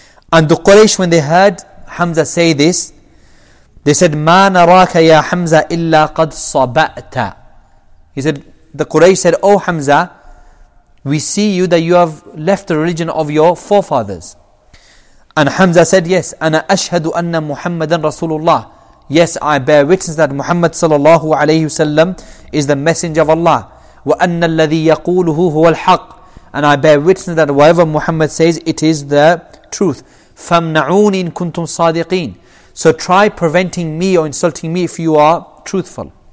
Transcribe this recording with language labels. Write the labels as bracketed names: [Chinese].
[English] And the Quraysh, when they heard Hamza say this, they said, [Arabic] مَا نَرَاكَ يَا حَمْزَ إِلَّا قَدْ صَبَأْتَ. [English] He said, the Quraysh said, Oh Hamza, we see you that you have left the religion of your forefathers. And Hamza said, Yes, [Arabic] أَنَا أَشْهَدُ أَنَّ مُحَمَّدًا رَسُولُ اللَّهِ. [English] Yes, I bear witness that Muhammad sallallahu alayhi wasallam is the messenger of Allah. [Arabic] وَأَنَّ الَّذِي يَقُولُهُ هُوَ الْحَقِّ. [English] And I bear witness that whatever Muhammad says, it is the truth. [Arabic] فَامْنَعُونِ إِن كُنْتُمْ صَادِقِينَ. [English] So try preventing me or insulting me if you are truthful.